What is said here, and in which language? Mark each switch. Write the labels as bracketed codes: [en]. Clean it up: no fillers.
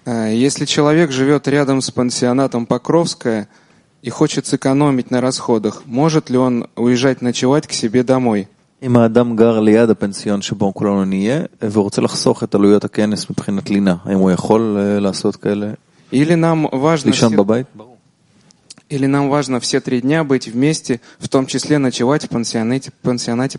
[ru] Если человек живет рядом с пансионатом Покровская и хочет сэкономить на расходах, может ли он уезжать ночевать к себе домой? [he] אם האדם גר ליד הפנסיון שבו כולנו נהיה ורוצה לחסוך את עלויות הכנס מבחינת לינה, האם הוא יכול לעשות כאלה? [ru] Или нам важно [he] לישון בבית? [ru] Или нам важно все три дня быть вместе, в том числе ночевать в пансионате